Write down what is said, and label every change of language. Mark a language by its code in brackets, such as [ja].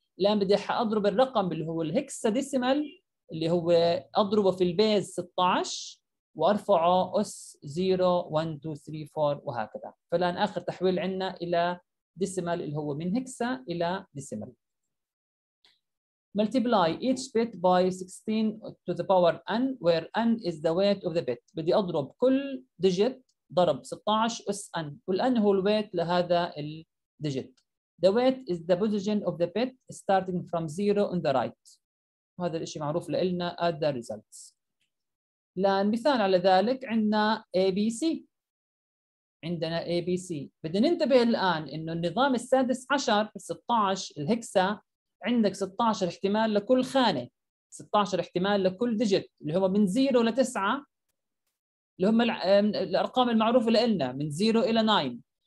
[ar] الان بدي اضرب الرقم اللي هو الهكسا ديسيمال اللي هو اضربه في البيز 16 وارفعه اس 0 1 2 3 4 وهكذا. فالان اخر تحويل عندنا الى ديسيمال اللي هو من هكسا الى ديسيمال. [en] Multiply each bit by 16 to the power n, where n is the weight of the bit. [ar] بدي أضرب كل digit ضرب 16 أس n، والn هو الـ weight لهذا الـ digit. [en] The weight is the position of the bit starting from 0 on the right. [ar] وهذا الإشي معروف لإلنا [en] at the results. [ar] لأن مثال على ذلك عندنا ABC. عندنا ABC. بدنا ننتبه الآن إنه النظام السادس عشر 16 الهكسا، عندك 16 احتمال لكل خانة، 16 احتمال لكل ديجيت اللي هم من 0 ل 9 اللي هم الأرقام المعروفة لإلنا من 0 إلى 9.